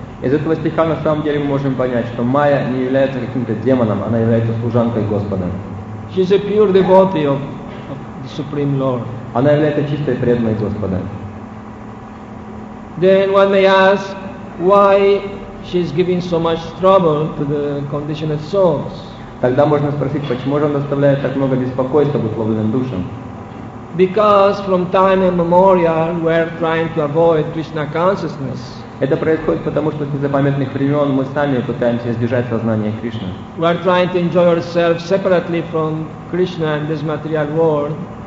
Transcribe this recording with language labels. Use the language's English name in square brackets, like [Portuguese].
[Russian] Из этого стиха на самом деле мы можем понять, что Майя не является каким-то демоном, она является служанкой Господа. [English] She's a pure devotee of the Supreme Lord. [Russian] Она является чистой преданной Господа. [English] Then one may ask, why she's giving so much trouble to the conditioned souls? [Russian] Тогда можно спросить, почему же она доставляет так много беспокойства обусловленным душам? [English] Because from time immemorial we're trying to avoid Krishna consciousness. [Russian] Это происходит потому, что с незапамятных времен мы сами пытаемся избежать сознания Кришны. [English] We are trying to enjoy ourselves separately from Krishna and this material world.